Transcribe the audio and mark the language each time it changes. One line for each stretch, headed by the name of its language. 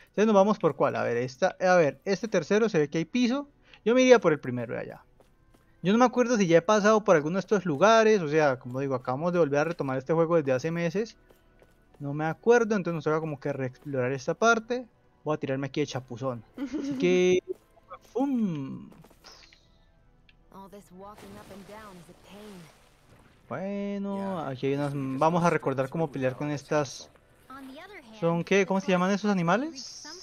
Spanish: Entonces nos vamos por cuál. A ver, a ver, este tercero se ve que hay piso. Yo me iría por el primero de allá. Yo no me acuerdo si ya he pasado por alguno de estos lugares. O sea, como digo, acabamos de volver a retomar este juego desde hace meses. No me acuerdo, entonces nos toca como que reexplorar esta parte. Voy a tirarme aquí de chapuzón. Así que. ¡Fum!
English: All this walking up and down is a pain.
Spanish: Bueno, aquí hay unas.
English: Yeah,
Spanish: Vamos a
English: just
Spanish: recordar cómo pelear con estas. ¿Son qué? ¿Cómo se llaman esos animales?